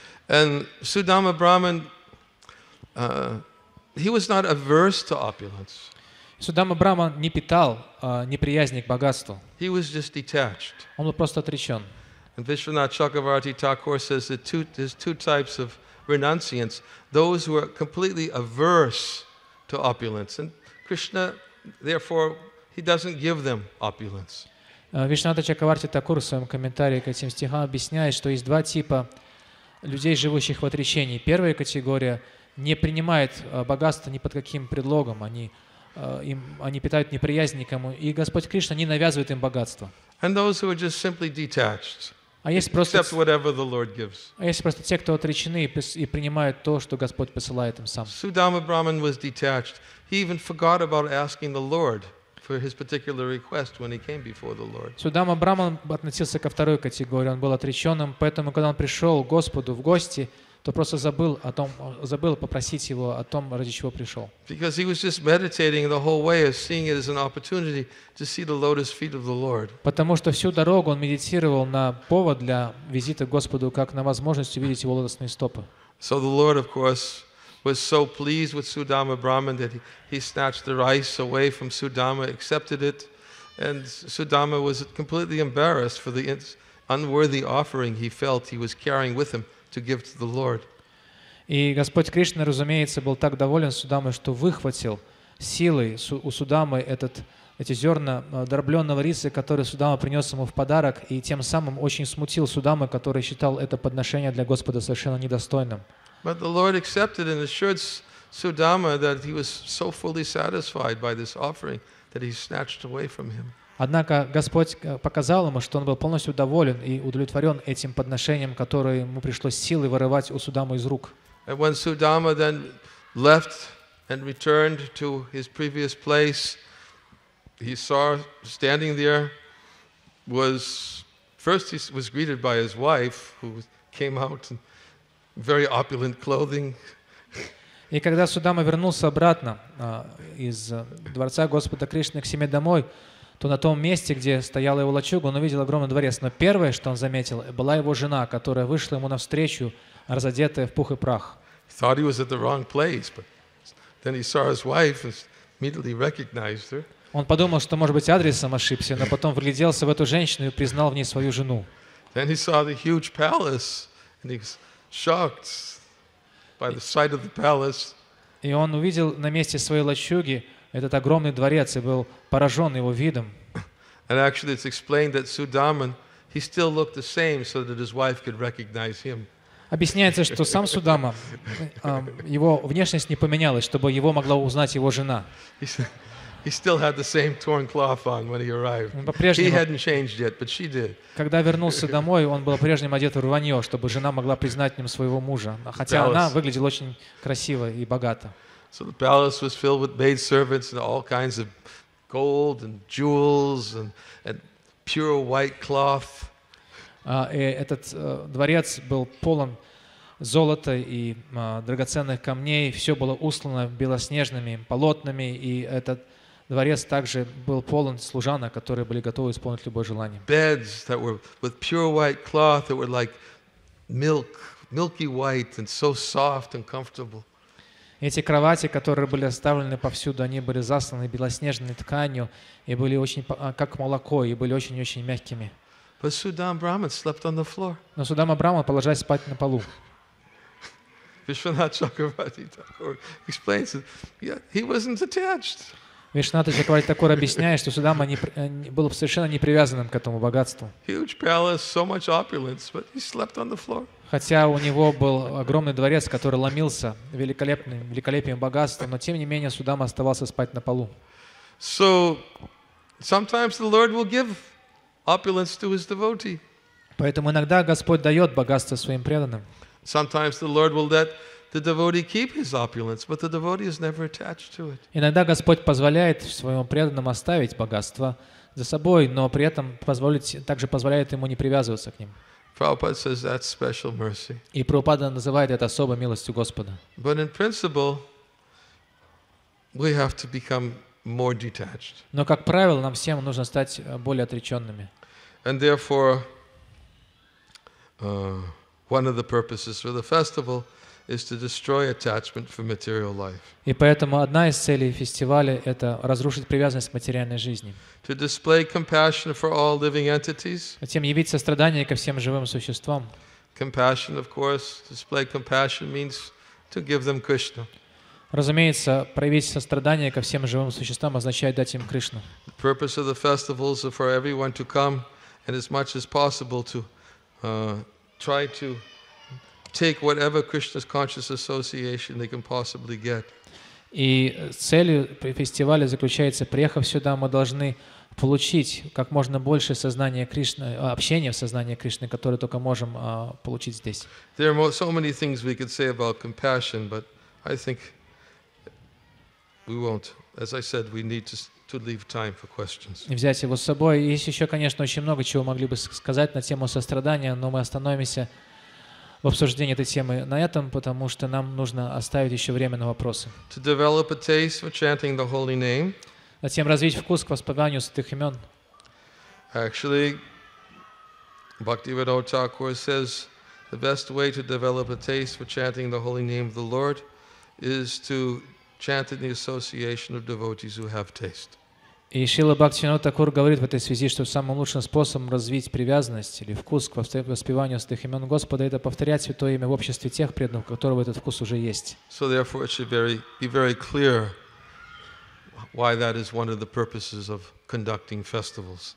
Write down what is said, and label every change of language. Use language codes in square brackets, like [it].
[en] And Sudama Brahman, he was not averse to opulence. [ru] Судама Брахман не питал неприязни к богатству. [en] He was just detached. [ru] Он был просто отречен. [en] And Vishwanath Chakravarti Thakur says that there's two types of renunciants: those who are completely averse to opulence, and Krishna, therefore, he doesn't give them opulence. [ru] Вишванатха Чакраварти Такур в своем комментарии к этим стихам объясняет, что есть два типа людей, живущих в отречении. Первая категория не принимает богатство ни под каким предлогом. Они питают неприязнь никому, и Господь Кришна не навязывает им богатство. [en] And those who are just simply detached, accept whatever the Lord gives. [ru] А есть просто те, кто отречены и принимают то, что Господь посылает им сам. [en] Sudama Brahman was detached. He even forgot about asking the Lord for his particular request when he came before the Lord. [ru] Судама Брахман относился ко второй категории. Он был отреченным, поэтому, когда он пришел к Господу в гости, то просто забыл попросить его о том, ради чего пришел. [en] Because he was just meditating the whole way, seeing it as an opportunity to see the lotus feet of the Lord. [ru] Потому что всю дорогу он медитировал на повод для визита к Господу, как на возможность увидеть его лотосные стопы. [en] So the Lord, of course, was so pleased with Sudama Brahman that he snatched the rice away from Sudama, accepted it, and Sudama was completely embarrassed for the unworthy offering he felt he was carrying with him to give to the Lord. [ru] И Господь Кришна, разумеется, был так доволен Судамой, что выхватил силой у Судамы эти зерна дробленного риса, которые Судама принес ему в подарок, и тем самым очень смутил Судаму, который считал это подношение для Господа совершенно недостойным. [en] But the Lord accepted and assured Sudama that he was so fully satisfied by this offering that he snatched away from him. [ru] Однако Господь показал ему, что он был полностью доволен и удовлетворен этим подношением, которое ему пришлось силой вырывать у Судамы из рук. [en] And when Sudama then left and returned to his previous place, he saw standing there was first he was greeted by his wife who came out and very opulent clothing. [ru] И когда Судама вернулся обратно из дворца Господа Кришны к себе домой, то на том месте, где стояла его лачуга, он увидел огромный дворец. Но первое, что он заметил, была его жена, которая вышла ему навстречу, разодетая в пух и прах. [en] He thought he was at the wrong place, but then he saw his wife and immediately recognized her. [ru] Он подумал, что, может быть, адресом ошибся, но потом вгляделся в эту женщину и признал в ней свою жену. [en] Then he saw the huge palace and he was shocked by the sight of the palace. [ru] И он увидел на месте своей лачуги этот огромный дворец и был поражен его видом. [en] And actually it's explained that Sudaman, he still looked the same so that his wife could recognize him. [ru] Объясняется, что сам Судама, его внешность не поменялась, чтобы его могла узнать его жена. [en] He still had the same torn cloth on when he arrived. [ru] По-прежнему, [en] he hadn't changed yet, but she did. [ru] Когда вернулся домой, он был по-прежнему одет в рванье, чтобы жена могла признать в нем своего мужа, хотя она выглядела очень красиво и богато. [en] So the palace was filled with maid servants and all kinds of gold and jewels and pure white cloth. [ru] И этот дворец был полон золота и драгоценных камней. Все было устлано белоснежными полотнами, и этот дворец также был полон служанок, которые были готовы исполнить любое желание. [en] Beds that were with pure white cloth that were like milk, milky white and so soft and comfortable. [ru] Эти кровати, которые были оставлены повсюду, они были засланы белоснежной тканью и были очень как молоко, и были очень-очень мягкими. [en] But Sudama Brahman slept on the floor. [ru] Но Судама Брахман положил спать на полу. [en] Vishwanath Chakravarti Thakur explains it. He wasn't attached. [ru] Вишната Чакравати Такур объясняет, что Судама был совершенно не привязанным к этому богатству. [en] Huge palace, so much opulence, but he slept on the floor. [ru] Хотя у него был огромный дворец, который ломился великолепием богатства, но тем не менее Судама оставался спать на полу. [en] So sometimes the Lord will give opulence to his devotee. [ru] Поэтому иногда Господь дает богатство своим преданным. [en] Sometimes the Lord will let the devotee keep his opulence, but the devotee is never attached to it. [ru] Иногда Господь позволяет своему преданному оставить богатство за собой, но при этом позволяет ему не привязываться к ним. [en] Prabhupada says that's special mercy. [ru] И Прабхупада называет это особой милостью Господа. [en] But in principle, we have to become more detached. [ru] Но как правило, нам всем нужно стать более отреченными. [en] And therefore, one of the purposes for the festival is to destroy attachment for material life. [ru] И поэтому одна из целей фестиваля — это разрушить привязанность к материальной жизни. [en] To display compassion for all living entities. [ru] Затем явить сострадание ко всем живым существам. [en] Compassion, of course, display compassion means to give them Krishna. [ru] Разумеется, проявить сострадание ко всем живым существам означает дать им Кришну. [en] The purpose of the festival is for everyone to come and as much as possible to try to take whatever Krishna's conscious association they can possibly get. [ru] И целью фестиваля заключается, приехав сюда, мы должны получить как можно больше сознания Кришны, общения в сознании Кришны, которое только можем получить здесь. [en] There are so many things we could say about compassion, but I think we won't. As I said, we need to leave time for questions. [ru] Взять его с собой. Есть еще, конечно, очень много чего могли бы сказать на тему сострадания, но мы остановимся в обсуждении этой темы на этом, потому что нам нужно оставить еще время на вопросы. [en] To develop a taste for chanting the holy name. [ru] Затем развить вкус к воспеванию святых имен. [en] Actually, Bhaktivedanta Thakur says the best way to develop a taste for chanting the holy name of the Lord is to chant in the association of devotees who have taste. [ru] И Шрила Бхактивинода Такур говорит в этой связи, что самым лучшим способом развить привязанность или вкус к воспеванию святых имен Господа — это повторять святое имя в обществе тех преданных, у которого этот вкус уже есть. [en] So therefore it should be very clear why that is one of the purposes of conducting festivals.